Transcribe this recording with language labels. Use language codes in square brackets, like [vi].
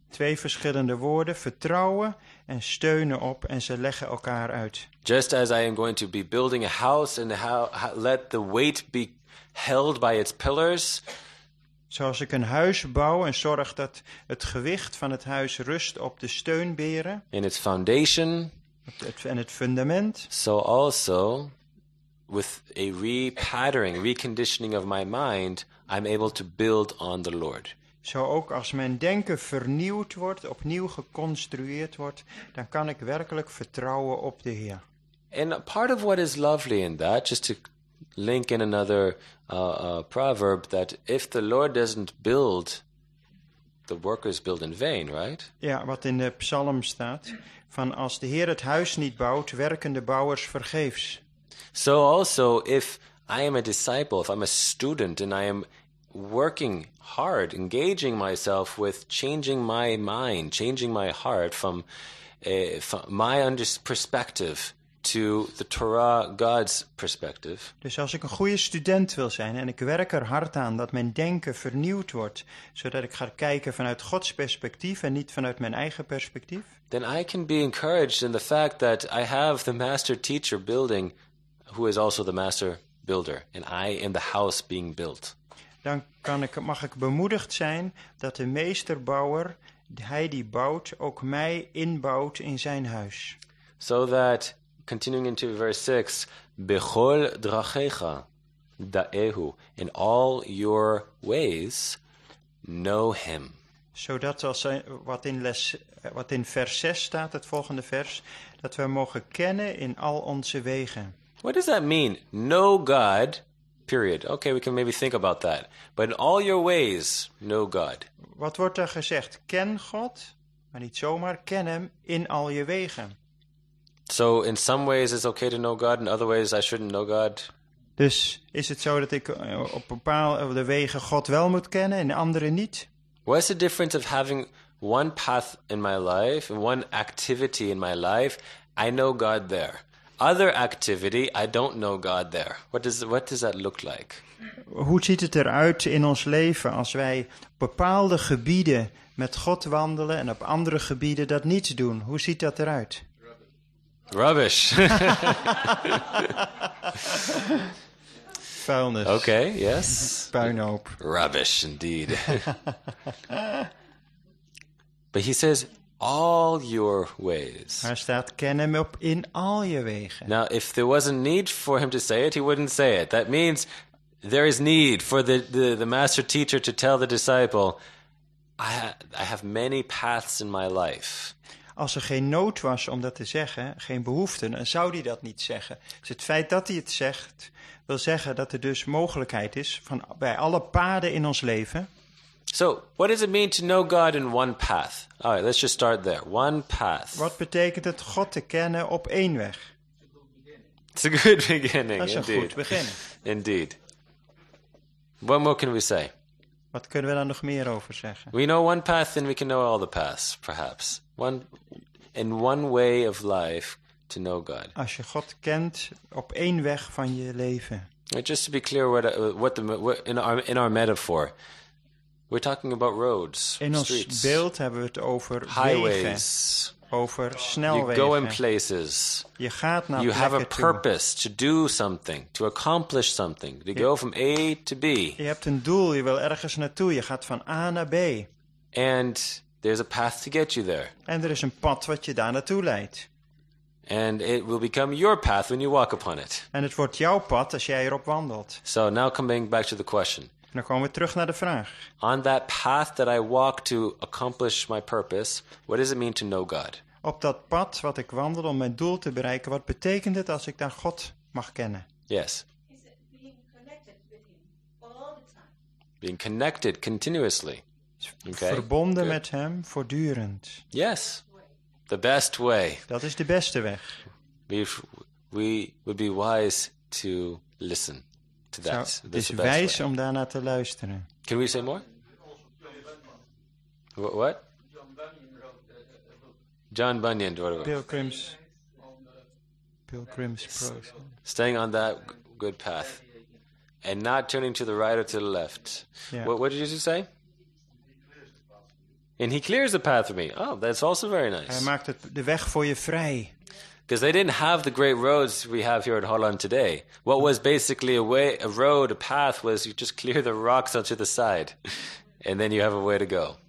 [nl] Twee verschillende woorden, vertrouwen en steunen op en ze leggen elkaar uit. [en] Just as I am going to be building a house and let the weight be held by its pillars, [nl] Zoals ik een huis bouw en zorg dat het gewicht van het huis rust op de steunberen. [en] In its foundation. [nl] En het fundament. [en] So also, with a repattering, reconditioning of my mind, I'm able to build on the Lord. [nl] Zo ook als mijn denken vernieuwd wordt, opnieuw geconstrueerd wordt, dan kan ik werkelijk vertrouwen op de Heer. [en] And part of what is lovely in that, just to link in another proverb, that if the Lord doesn't build, the workers build in vain, right? [nl] Ja, wat in de psalm staat, van als de Heer het huis niet bouwt, werken de bouwers vergeefs. [en] So also, if I am a disciple, if I'm a student, and I am working hard, engaging myself with changing my mind, changing my heart from my perspective to the Torah, God's perspective. [nl] Dus als ik een goede student wil zijn en ik werk er hard aan dat mijn denken vernieuwd wordt, zodat ik ga kijken vanuit Gods perspectief en niet vanuit mijn eigen perspectief. [en] Then I can be encouraged in the fact that I have the master teacher building, who is also the master builder, and I am the house being built. [nl] Dan mag ik bemoedigd zijn dat de meesterbouwer, hij die bouwt, ook mij inbouwt in zijn huis. [en] So that, continuing into verse 6, [he] Bechol drachecha da'ehu, [en] in all your ways, know him. [nl] Zodat als wat in vers 6 staat, het volgende vers, dat we mogen kennen in al onze wegen. [en] What does that mean? Know God. Period. Okay, we can maybe think about that. But in all your ways, know God. [nl] Wat wordt er gezegd? Ken God, maar niet zomaar. Ken hem in al je wegen. [en] So in some ways it's okay to know God, in other ways I shouldn't know God. [nl] Dus is het zo dat ik op bepaalde wegen God wel moet kennen en andere niet? [en] What's the difference of having one path in my life, one activity in my life, I know God there. Other activity, I don't know God there. What does that look like? [nl] Hoe ziet het eruit in ons leven als wij bepaalde gebieden met God wandelen en op andere gebieden dat niet doen? Hoe ziet dat eruit? [en] Rubbish. [nl] Vuilnis. [en] Okay, yes. [nl] Puinhoop. [en] Rubbish indeed. But he says, all your ways. [nl] Hij staat ken hem op in al je wegen. [en] Now, if there was a need for him to say it, he wouldn't say it. That means there is need for the master teacher to tell the disciple, I have many paths in my life. [nl] Als er geen nood was om dat te zeggen, geen behoefte, dan zou hij dat niet zeggen. Dus het feit dat hij het zegt, wil zeggen dat er dus mogelijkheid is van bij alle paden in ons leven. [en] So, what does it mean to know God in one path? All right, let's just start there. One path. [nl] Wat betekent het God te kennen op één weg? [en] It's a good beginning. [nl] Dat is [en] indeed. [nl] Een goed begin. [en] Indeed. What more can we say? [nl] Wat kunnen we daar nog meer over zeggen? [en] We know one path, then we can know all the paths, perhaps. In one way of life to know God. [nl] Als je God kent op één weg van je leven. [en] Just to be clear, what in our metaphor. We're talking about roads, [nl] in ons [en] streets. [nl] Beeld hebben we het over [en] highways, [nl] wegen, over snelwegen. [en] You go in places. [nl] Je gaat naar [en] you have a purpose [nl] toe. [en] To do something, to accomplish something. To go from A to B. [nl] Je hebt een doel, je wil ergens naartoe, je gaat van A naar B. [en] And there's a path to get you there. [nl] En er is een pad wat je daar naartoe leidt. [en] And it will become your path when you walk upon it. [nl] En het wordt jouw pad als jij erop wandelt. [en] So now coming back to the question. [nl] En dan komen we terug naar de vraag. [en] On that path that I walk to accomplish my purpose, what does it mean to know God? [nl] Op dat pad wat ik wandel om mijn doel te bereiken, wat betekent het als ik dan God mag kennen? [en] Yes. Is it being connected with him all the time? Being connected continuously. Okay. [nl] Verbonden [en] Good. [nl] Met hem voortdurend. [en] Yes. The best way. [nl] Dat is de beste weg. [en] We would be wise to listen. To that. [nl] Zo, het is wijs om daarna te luisteren. [en] Can we say more? What? John Bunyan wrote it. Pilgrim's Progress. Staying on that good path. And not turning to the right or to the left. Yeah. What did Jesus say? And he clears the path for me. Oh, that's also very nice. [nl] Hij maakt de weg voor je vrij. [en] Because they didn't have the great roads we have here at Holland today. What was basically a way, a road, a path, was you just clear the rocks onto the side. And then you have a way to go.